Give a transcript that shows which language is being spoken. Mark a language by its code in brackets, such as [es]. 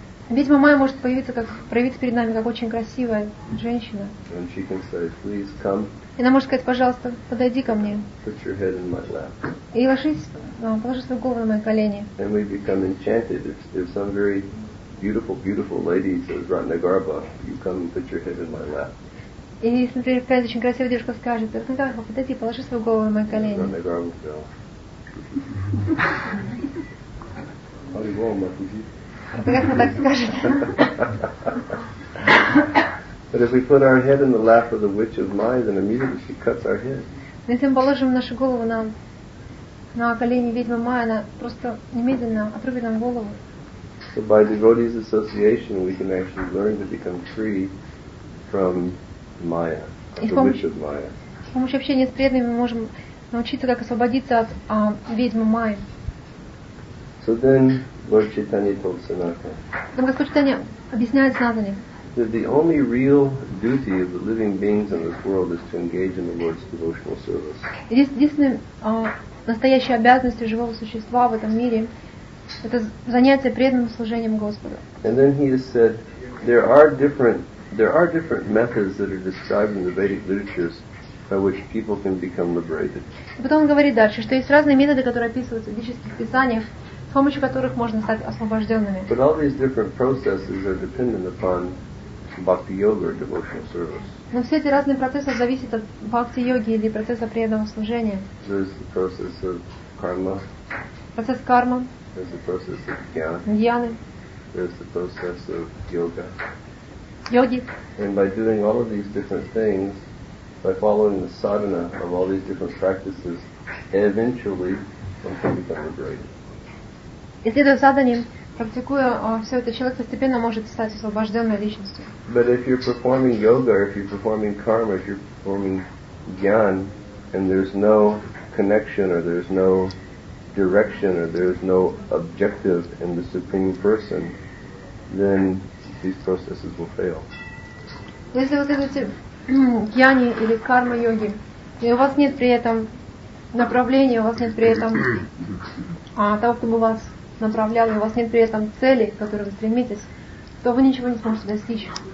[ru] Ведьма Майя может проявиться перед нами как очень красивая женщина. [en] And she can say, "Please come." [ru] И она может сказать, пожалуйста, подойди ко мне. [en] Put your head in my lap. [ru] И положи свою голову на мои колени. [en] And we become enchanted if some very beautiful, beautiful lady says, "Ratnagarbha, you come and put your head in my lap." [ru] И если, например, какая-то очень красивая девушка скажет, "Ратнагарбха, подойди, положи свою голову на мои колени." Ратнагарбха, да. Харивом, Матуси. [en] But if we put our head in the lap of the witch of Maya, then immediately she cuts our head. [ru] Если мы положим нашу голову на колени ведьмы Майи, она просто немедленно отрубит нам голову. [en] So by devotees' association, we can actually learn to become free from Maya, the witch of Maya. [ru] С помощью общения с преданными мы можем научиться, как освободиться от ведьмы Майи. [en] So then, Lord Chaitanya told Sanatana. [ru] Там Господь Читания объясняет Санатане. [en] That the only real duty of the living beings in this world is to engage in the Lord's devotional service. [ru] Единственная настоящая обязанность живого существа в этом мире — это занятие преданным служением Господу. [en] And then he has said, there are different methods that are described in the Vedic literatures by which people can become liberated. [ru] Потом он говорит дальше, что есть разные методы, которые описываются в ведических писаниях, с помощью которых можно стать освобожденными. [en] But all these different processes are dependent upon Bhakti yoga or devotional service. [ru] Но все эти разные процессы зависят от бхакти йоги или процесса преданного служения. [en] There is the process of karma. [ru] Процесс кармы. [en] There is the process of [ru] дьяны. [en] There is the process of yoga. [ru] Йоги. [en] And by doing all of these different things, by following the sadhana of all these different practices, eventually one can become liberated. [ru] Исследуя садхане, практикуя все это, человек постепенно может стать освобожденной личностью. [en] But if you're performing yoga, if you're performing karma, if you're performing jnana, and there's no connection, or there's no direction, or there's no objective in the Supreme Person, then these processes will fail. [ru] Если вы следуете jnana или karma йоги, и у вас нет при этом направления, у вас нет при этом того, кто бы вас направлял, и у вас нет при этом цели, к которой вы стремитесь, то вы ничего не сможете достичь.